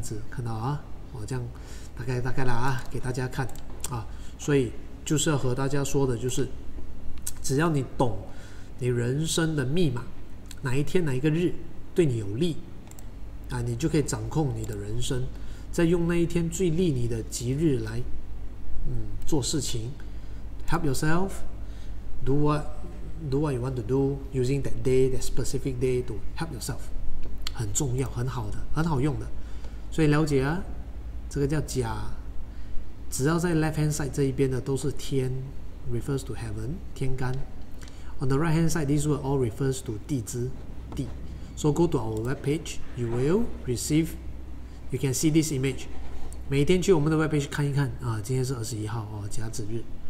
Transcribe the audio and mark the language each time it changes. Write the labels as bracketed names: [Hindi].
[Chinese] 看到啊，我这样大概啦啊，给大家看啊，所以就是要和大家说的就是，只要你懂你人生的密码，哪一天哪一个日对你有利啊，你就可以掌控你的人生，再用那一天最利你的吉日来做事情。 [English] Help yourself, do what you want to do using that day, that specific day to help yourself. [Chinese] 很重要，很好的，很好用的。所以了解啊，这个叫甲，只要在 [English] left hand side [Chinese] 这一边的都是天， [English] refers to heaven, [Chinese] 天干。 [English] On the right hand side, these word all refers to 地支，地。 So go to our webpage, you will receive, you can see this image. [Chinese] 每天去我们的 webpage 看一看啊，今天是21号哦，甲子日。